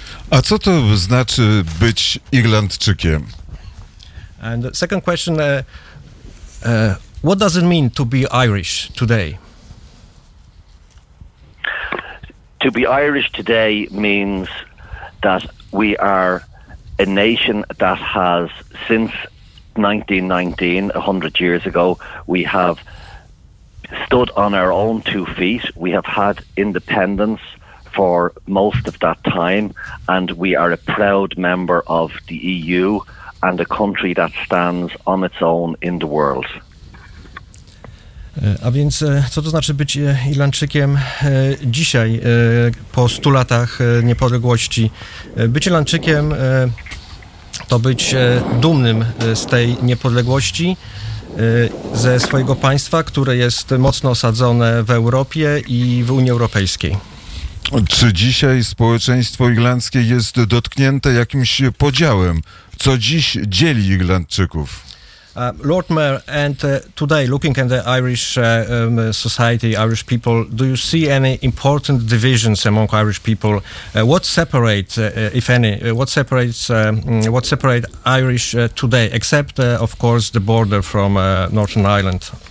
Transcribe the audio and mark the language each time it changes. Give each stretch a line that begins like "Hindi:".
Polish: A co to znaczy być Irlandczykiem?
English: And the second question, what does it mean to be Irish today? To be Irish today means that we are a nation that has, since 1919, 100 years ago, we have stood on our own two feet. We have had independence for most of that time, and we are a proud member of the EU and a country that stands on its own in the world.
Polish: A więc co to znaczy być Irlandczykiem dzisiaj, po 100 latach niepodległości? Być Irlandczykiem to być dumnym z tej niepodległości, ze swojego państwa, które jest mocno osadzone w Europie i w Unii Europejskiej. Czy dzisiaj społeczeństwo irlandzkie jest dotknięte jakimś podziałem? Co dziś dzieli Irlandczyków?
English: Lord Mayor, and today, looking at the Irish society, Irish people, do you see any important divisions among Irish people? What separates, if any, what separates Irish today, except, of course, the border from Northern Ireland?